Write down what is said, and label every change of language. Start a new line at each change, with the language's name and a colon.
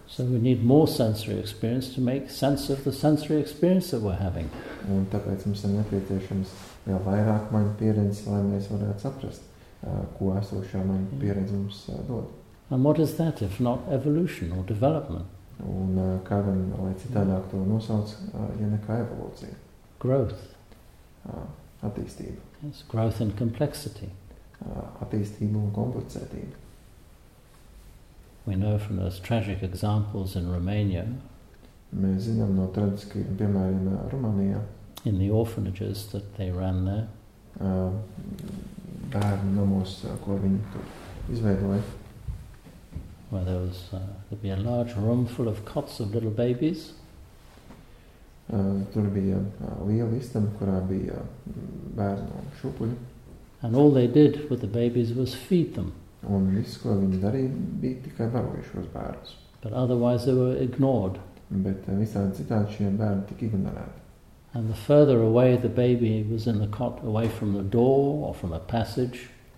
English: So we need more sensory experience to make sense of the sensory experience that we're having.
Latvian: Un tāpēc mums ir nepieciešams vēl vairāk maņu pieredzes, lai mēs varētu saprast, ko esošā maņu pieredze mums dod.
English: And what is that, if not evolution or development?
Latvian: Un kā gan, lai citādāk to nosauc, ja nekā evolūcija?
English: Growth.
Latvian: Attīstība.
English: Yes, growth and complexity.
Latvian: Attīstība un komplicētība.
English: We know from those tragic examples in Romania.
Latvian: Mēs zinām no tradiskajiem piemēriem Rumānijā.
English: In the orphanages that they ran there.
Latvian: Bērnu namos, ko viņi tur izveidoja.
English: Where there was, there'd be a large room full of cots of little babies.
Latvian: Tur bija liela istaba, kurā bija bērnu šupuļi.
English: And all they did with the babies was feed them.
Latvian: Un viss, ko viņi darīja, bija tikai barojušos bērnus.
English: But otherwise they were ignored.
Latvian: Bet visādi citādi šie bērni tika ignorēti.
English: And the further away the baby was in the cot, away from the door or from a passage,